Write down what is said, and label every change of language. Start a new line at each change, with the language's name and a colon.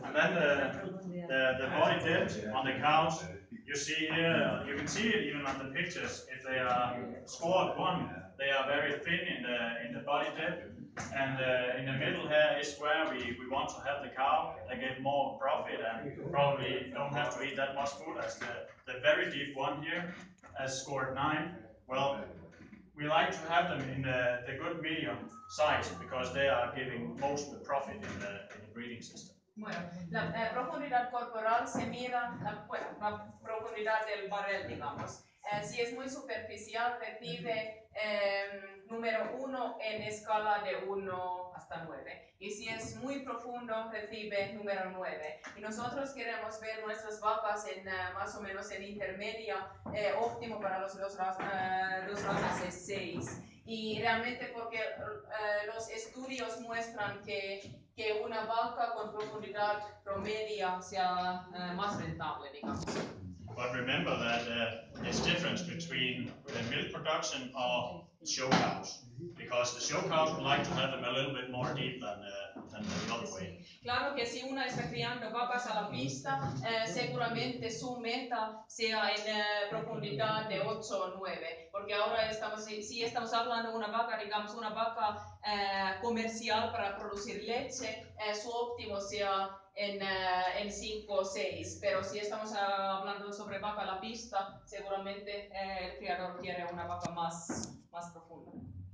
English: And then the body dip on the cows, you see here, you can see it even on the pictures, if they are scored one, they are very thin in the body dip, and in the middle here is where we want to have the cow, they get more profit and probably don't have to eat that much food, as the very deep one here has scored 9. Well, we like to have them in the good medium size because they are giving most of the profit in the breeding system.
Spanish: Bueno, la profundidad corporal se mira, la profundidad del barrel, digamos. Si es muy superficial, recibe número 1 en escala de 1 hasta 9. Y si es muy profundo, recibe número 9. Y nosotros queremos ver nuestras vacas en más o menos el intermedio óptimo para los razas es 6. Y realmente porque los estudios muestran que una vaca con profundidad promedio sea más rentable, digamos.
English: But remember that there's difference between the milk production of show cows, because the show cows would like to have them a little bit more deep than the other way.
Spanish: Claro que si una está criando vacas a la pista, seguramente su meta sea en profundidad de 8 o 9, porque ahora estamos, si estamos hablando de una vaca, digamos una vaca comercial para producir leche, su óptimo sea en 5 o 6, pero si estamos hablando sobre vaca a la pista, seguramente el criador quiere una vaca más profunda.